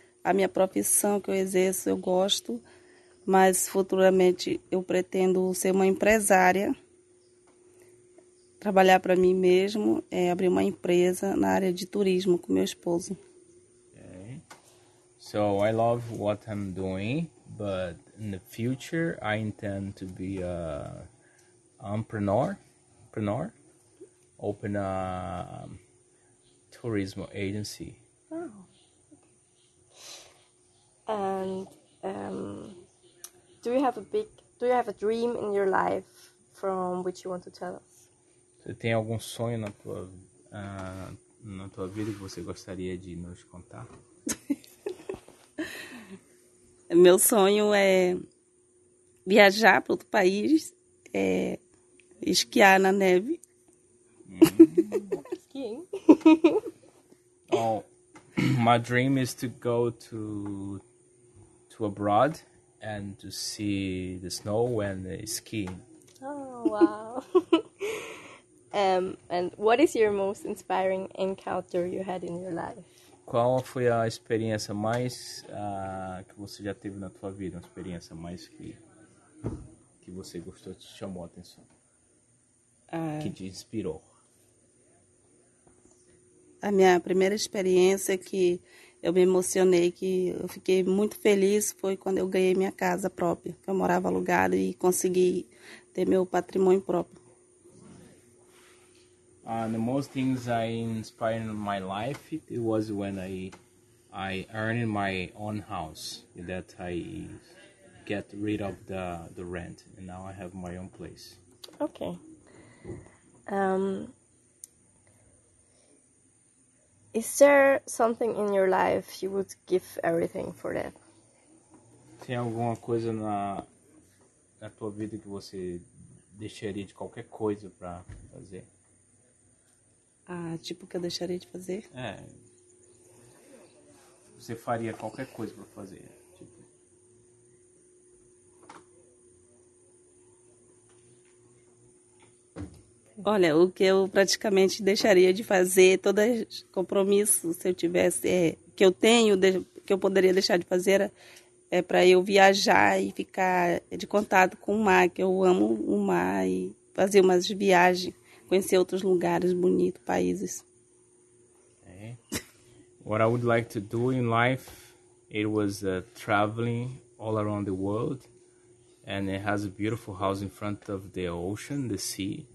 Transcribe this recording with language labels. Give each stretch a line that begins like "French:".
Portuguese: A minha profissão que eu exerço, eu gosto. Mas, futuramente, eu pretendo ser uma empresária. Trabalhar para mim mesmo é abrir uma empresa na área de turismo com meu esposo.
English: Okay. So I love what I'm doing, but in the future I intend to be a entrepreneur, open a tourism agency. Oh. And do you have a dream in your life from which you want to tell us?
Portuguese: Você tem algum sonho na tua vida que você gostaria de nos contar? Meu sonho é viajar para outro país, esquiar na neve.
English: Skiing. Oh, my dream is to go to abroad and to see the snow and the skiing. Oh, wow. And what is your most inspiring encounter you had in your life?
Portuguese: Qual foi a experiência mais que você já teve na tua vida? Uma experiência mais que você gostou, te chamou a atenção? Que te inspirou? A minha primeira experiência que eu me emocionei, que eu fiquei muito feliz, foi quando eu ganhei minha casa própria. Eu morava alugado e consegui ter meu patrimônio próprio.
English: The most things I inspired in my life, it was when I earned my own house, that I get rid of the rent, and now I have my own place. Okay. Is there something in your life you would give everything for that?
Portuguese: Tem alguma coisa na tua vida que você deixaria de qualquer coisa para fazer? Ah, tipo o que eu deixaria de fazer? É. Você faria qualquer coisa pra fazer. Tipo. Olha, o que eu praticamente deixaria de fazer, todos os compromissos, se eu tivesse, que eu tenho, que eu poderia deixar de fazer é para eu viajar e ficar de contato com o mar, que eu amo o mar e fazer umas viagens, conhecer outros lugares bonitos, países.
English: Okay. What I would like to do in life, it was traveling all around the world, and it has a beautiful house in front of the ocean, the sea.